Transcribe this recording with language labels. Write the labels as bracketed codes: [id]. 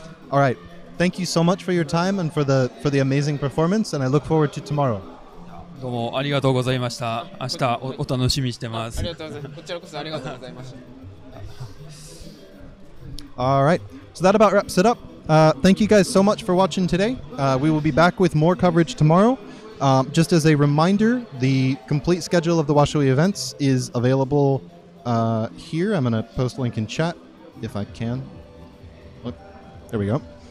[en] All right, thank you so much for your time and for the amazing performance, and I look forward to tomorrow. [ja] どうもありがとうございました。明日 お楽しみしてます。ありがとうございます。こちらこそありがとうございました。 [en] All right, so that about wraps it up. Thank you guys so much for watching today. We will be back with more coverage tomorrow. Just as a reminder, the complete schedule of the Washoe events is available here. I'm going to post a link in chat if I can. Oop, there we go.